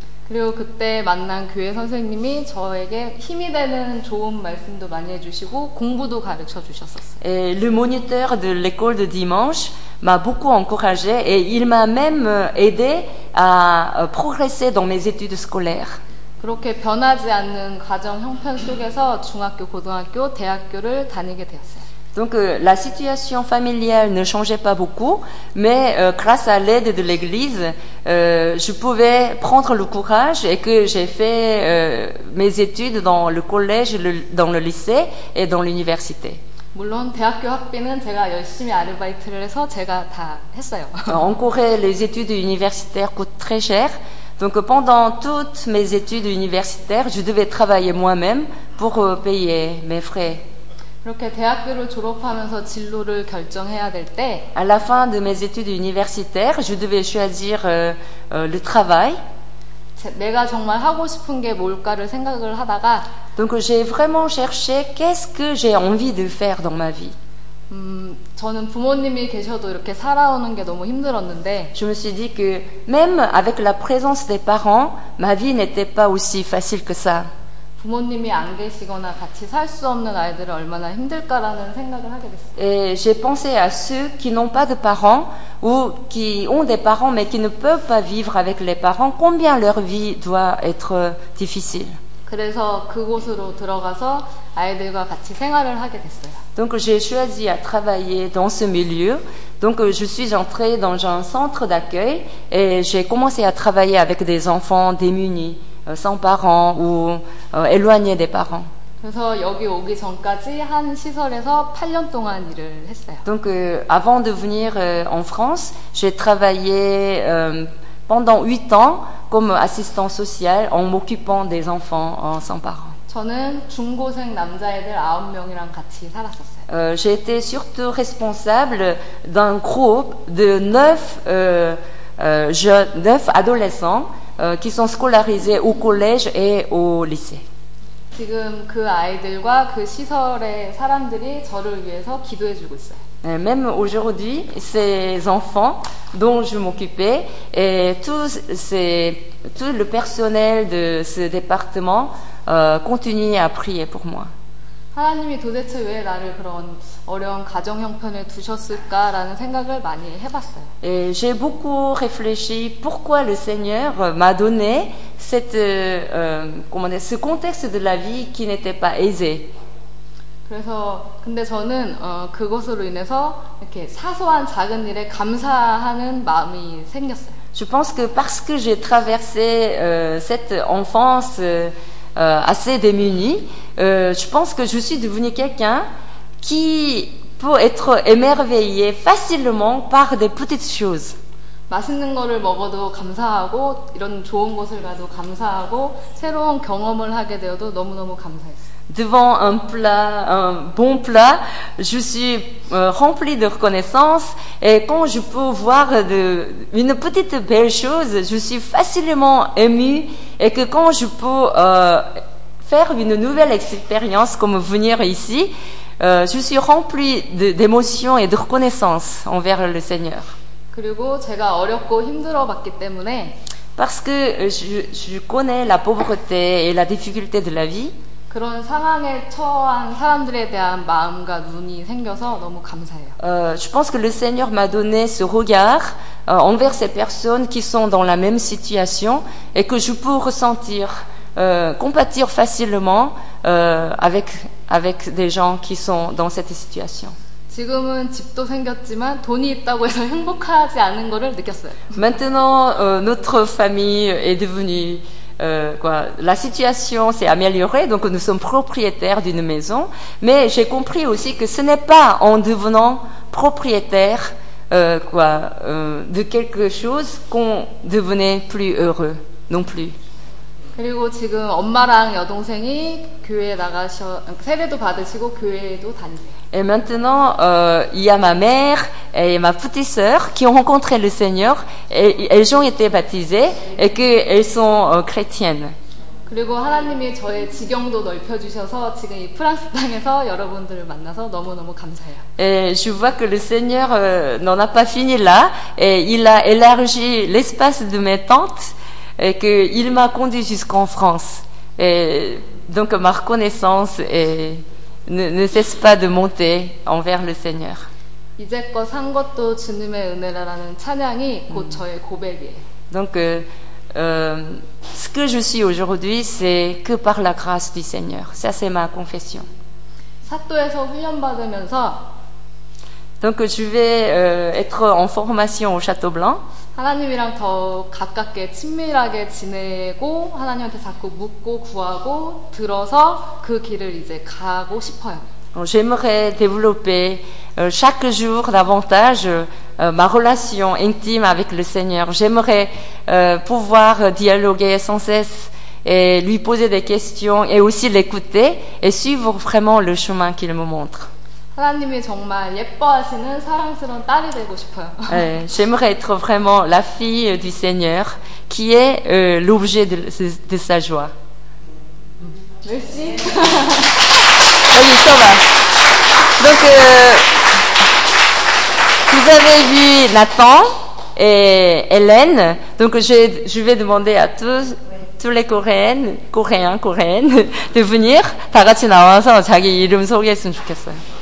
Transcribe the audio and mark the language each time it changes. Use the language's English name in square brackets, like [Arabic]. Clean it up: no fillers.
[Korean] 그리고 그때 만난 교회 선생님이 저에게 힘이 되는 좋은 말씀도 많이 해주시고 공부도 가르쳐 주셨었어요. [French] Et le moniteur de l'école de dimanche m'a beaucoup encouragé et il m'a même aidé à progresser dans mes études scolaires. [Korean] 그렇게 변하지 않는 가정 형편 속에서 중학교, 고등학교, 대학교를 다니게 되었어요. [French] Donc la situation familiale ne changeait pas beaucoup, mais grâce à l'aide de l'église, je pouvais prendre le courage et que j'ai fait mes études dans le collège, dans le lycée et dans l'université. [Korean] 물론 대학교 학비는 제가 열심히 아르바이트를 해서 제가 다 했어요. [French] En Corée, les études universitaires coûtent très cher. Donc pendant toutes mes études universitaires, je devais travailler moi-même pour payer mes frais. [Korean] 이렇게 대학교를 졸업하면서 진로를 결정해야 될 때, [French] à la fin de mes études universitaires, je devais choisir le travail. [Korean] 내가 정말 하고 싶은 게 뭘까를 생각을 하다가, [French] donc j'ai vraiment cherché qu'est-ce que j'ai envie de faire dans ma vie. [Korean] 저는 부모님이 계셔도 이렇게 살아오는 게 너무 힘들었는데, [French] je me suis dit que même avec la présence des parents, ma vie n'était pas aussi facile que ça. [Korean] 부모님이 안 계시거나 같이 살 수 없는 아이들은 얼마나 힘들까라는 생각을 하게 됐어요. [French] Et j'ai pensé à ceux qui n'ont pas de parents ou qui ont des parents mais qui ne peuvent pas vivre avec les parents. Combien leur vie doit être difficile. [Korean] 그래서 그곳으로 들어가서 아이들과 같이 생활을 하게 됐어요. [French] Donc j'ai choisi à travailler dans ce milieu. Donc je suis entrée dans un centre d'accueil et j'ai commencé à travailler avec des enfants démunis. Sans parents ou éloignés des parents. [Korean] 그래서 여기 오기 전까지 한 시설에서 8년 동안 일을 했어요. [French] Donc avant de venir en France, j'ai travaillé pendant 8 ans comme assistant social en m'occupant des enfants sans parents. [Korean] 저는 중고생 남자애들 9명이랑 같이 살았었어요. [French] J'ai été surtout responsable d'un groupe de 9 9 adolescents. Qui sont scolarisés au collège et au lycée. [Korean] 지금 그 아이들과 그 시설의 사람들이 저를 위해서 기도해 주고 있어요. [French] Même aujourd'hui, ces enfants dont je m'occupais et tout le personnel de ce département continue à prier pour moi. [Korean] 하나님이 도대체 왜 나를 그런 어려운 가정 형편에 두셨을까라는 생각을 많이 해봤어요. [French] Et j'ai beaucoup réfléchi pourquoi le Seigneur m'a donné ce contexte de la vie qui n'était pas aisé. [Korean] 그래서 근데 저는 그것으로 인해서 이렇게 사소한 작은 일에 감사하는 마음이 생겼어요. [French] Je pense que parce que j'ai traversé cette enfance assez démunie, je pense que je suis devenue quelqu'un qui peut être émerveillé facilement par des petites choses. [Korean] 맛있는 거를 먹어도 감사하고 이런 좋은 곳을 가도 감사하고 새로운 경험을 하게 되어도 너무 너무 감사했어요. [French] Devant un plat, un bon plat, je suis rempli de reconnaissance et quand je peux voir une petite belle chose, je suis facilement ému et que quand je peux faire une nouvelle expérience comme venir ici, je suis rempli d'émotion et de reconnaissance envers le Seigneur. [Korean] 그리고 제가 어렵고 힘들어 봤기 때문에 [French] parce que je connais la pauvreté et la difficulté de la vie. [Korean] 그런 상황에 처한 사람들에 대한 마음과 눈이 생겨서 너무 감사해요. [French] Je pense que le Seigneur m'a donné ce regard envers ces personnes qui sont dans la même situation et que je peux ressentir, compatir facilement avec des gens qui sont dans cette situation. [Korean] 지금은 집도 생겼지만 돈이 있다고 해서 행복하지 않은 거를 느꼈어요. [French] Maintenant, notre famille est devenue, quoi, la situation s'est améliorée, donc nous sommes propriétaires d'une maison. Mais j'ai compris aussi que ce n'est pas en devenant propriétaire, quoi, de quelque chose qu'on devenait plus heureux non plus. [Korean] 그리고 지금 엄마랑 여동생이 교회에 나가셔 세례도 받으시고 교회에도 다니세요. [French] Et maintenant, il y a ma mère et ma petite sœur qui ont rencontré le Seigneur et elles ont été baptisées et qu'elles sont chrétiennes. [Korean] 그리고 하나님이 저의 지경도 넓혀 주셔서 지금 이 프랑스 땅에서 여러분들을 만나서 너무너무 감사해요. [French] Et je vois que le Seigneur n'en a pas fini là et il a élargi l'espace de mes tentes. Et qu'il m'a conduit jusqu'en France. Et donc ma reconnaissance est, ne cesse pas de monter envers le Seigneur. [Korean] 이제껏 산 것도 주님의 은혜라는 찬양이 곧 저의 고백이에요. [French] Donc ce que je suis aujourd'hui, c'est que par la grâce du Seigneur. Ça, c'est ma confession. [Korean] 사또에서 훈련 받으면서 [French] Donc je vais être en formation au Château Blanc. [Korean] 하나님이랑 더 가깝게 친밀하게 지내고 하나님한테 자꾸 묻고 구하고 들어서 그 길을 이제 가고 싶어요. [French] J'aimerais développer chaque jour davantage ma relation intime avec le Seigneur. J'aimerais pouvoir dialoguer sans cesse et lui poser des questions et aussi l'écouter et suivre vraiment le chemin qu'il me montre. [Korean] 하나님이 정말 예뻐하시는 사랑스러운 딸이 되고 싶어요. [French] J'aimerais être vraiment la fille du Seigneur qui est l'objet de sa joie. Merci. Oui, ça va. Donc, vous avez vu Nathan et Hélène. Donc, je vais demander à tous les Coréens, de venir. [Korean] 다 같이 나와서 자기 이름 소개했으면 좋겠어요.